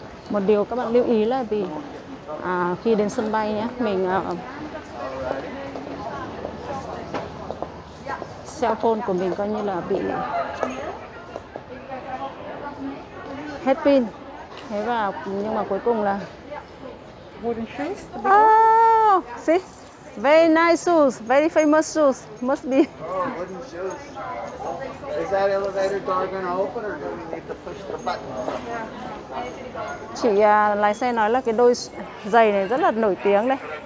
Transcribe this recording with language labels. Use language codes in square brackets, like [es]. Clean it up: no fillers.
[vi] Một điều các bạn lưu ý là vì khi đến sân bay nhé, mình cell phone của mình coi như là bị hết pin. Thế và nhưng mà cuối cùng là [en] oh, see, very nice shoes, very famous shoes, must be. Oh, wooden shoes. Is that elevator door going to open or do we need to push the button? [vi] Chị lái xe nói là cái đôi giày này rất là nổi tiếng đấy.